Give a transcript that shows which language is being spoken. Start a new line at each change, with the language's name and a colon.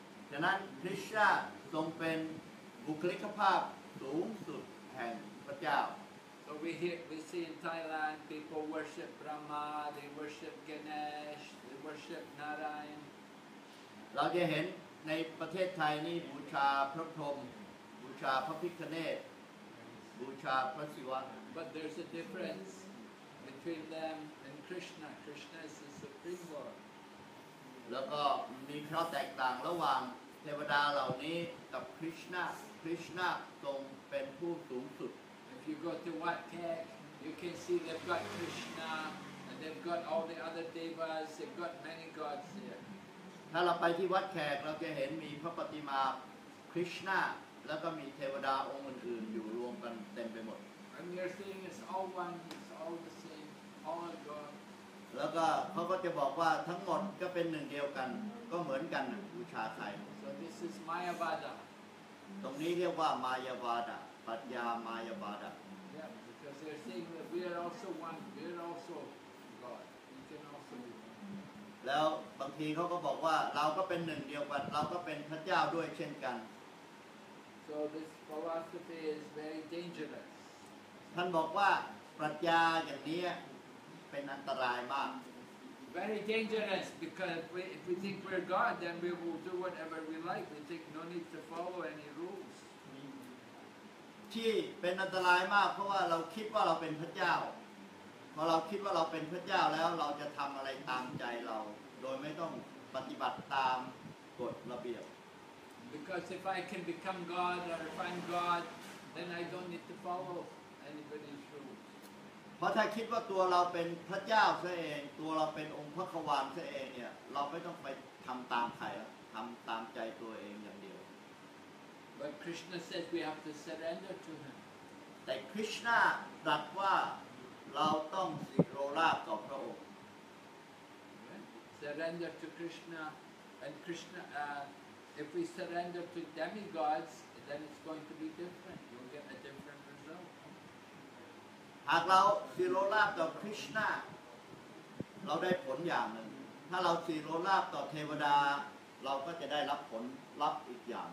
Thai: ฉะนั้นคริชนาทรงเป็นบุคลิกภาพสูงสุดแห่งพระเจ้า
English: So we see in Thailand people worship Brahma, they worship Ganesh, they worship Narayan.
Thai: เราจะเห็นในประเทศไทยนี่บูชาพระพรหมบูชาพระพิฆเนศบูชาพระศิวะ
English: But there's a difference between them and Krishna. Krishna is the supreme lord.
Thai: แล้วก็มีข้อแตกต่างระหว่างเทวดาเหล่านี้กับคริชนาคริชนาทรงเป็นผู้สูงสุด
English: If you go to Wat Khek you can see they've got Krishna and they've got all the other devas they've got many gods here
Thai: ถ้าเราไปที่วัดแขกเราจะเห็นมีพระปฏิมาคริชนาแล้วก็มีเทวดาองค์อื่นๆอยู่รวมกันเต็มไปหมด
English: And you're seeing it's all one it's all the same all god
Thai: แล้วก็เขาก็จะบอกว่าทั้งหมดก็เป็นหนึ่งเดียวกันก็เหมือนกันบูชาใคร
English: So this is Mayavada
Thai: ตรงนี้เรียกว่ามายาวาดะปรัชญามายาวาดะ
English: Yeah, because they're saying that we are also one, we are also God, we can also be one
Thai: แล้วบางทีเขาก็บอกว่าเราก็เป็นหนึ่งเดียวกันเราก็เป็นพระเจ้าด้วยเช่นกัน
English: So this philosophy is very dangerous
Thai: ท่านบอกว่าปรัชญาอย่างนี้เป็นอันตรายมาก
English: Very dangerous because if we think we're God then we will do whatever we like we think no need to follow any rules
Thai: ที่เป็นอันตรายมากเพราะว่าเราคิดว่าเราเป็นพระเจ้าพอเราคิดว่าเราเป็นพระเจ้าแล้วเราจะทำอะไรตามใจเราโดยไม่ต้องปฏิบัติตามกฎระเบียบ
English: Because if I can become God or if I'm God then I don't need to follow anybody's rules
Thai: เพราะถ้าคิดว่าตัวเราเป็นพระเจ้าซะเองตัวเราเป็นองค์พระควานซะเองเนี่ยเราไม่ต้องไปทำตามใครทำตามใจตัวเองอย่างเดียว
English: But Krishna says we have to surrender to him
Thai: แต่ Krishna ตรัสว่าเราต้องสิโรราบต่อพระองค์
English: Surrender to Krishna and Krishna if we surrender to demigods then it's going to be different you'll get a different result
Thai: หากเราสิโรราบต่อคริชนาเราได้ผลอย่างหนึ่งถ้าเราสิโรราบต่อเทวดาเราก็จะได้รับผลลัพธ์อีกอย่าง